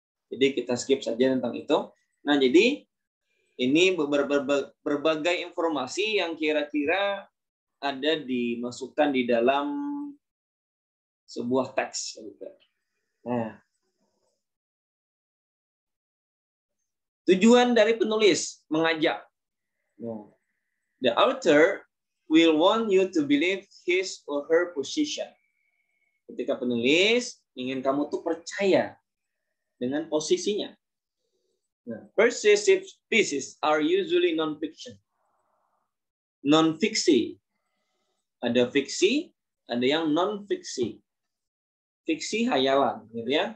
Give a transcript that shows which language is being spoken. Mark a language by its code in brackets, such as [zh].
[id] Jadi kita skip saja tentang itu. Nah, jadi ini berbagai informasi yang kira-kira ada dimasukkan di dalam sebuah teks. Nah, tujuan dari penulis, mengajak. [en] The author will want you to believe his or her position. [id] Ketika penulis ingin kamu tuh percaya dengan posisinya. [en] Persuasive pieces are usually non-fiction. Non-fiksi. [id] Ada fiksi, ada yang non-fiksi. Fiksi hayalan, gitu ya.